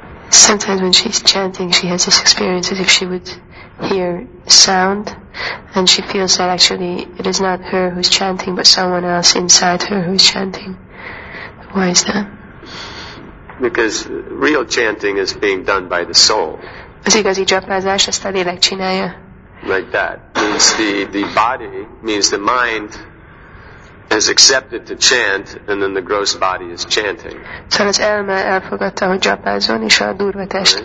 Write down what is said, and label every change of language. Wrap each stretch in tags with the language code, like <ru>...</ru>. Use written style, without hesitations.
<en>Sometimes when she's chanting, she has this experience as if she would hear sound, and she feels that actually it is not her who's chanting, but someone else inside her who's chanting. Why is that? Because real chanting is being done by the soul.</en> <hu>Az igazi japázás ezt a lélek csinálja.</hu> <en>Like that. Means the body, means the mind has accepted to chant, and then the gross body is chanting.</en> <hu>Szóval az elme elfogadta, hogy japázzon, és a durva test right.</hu>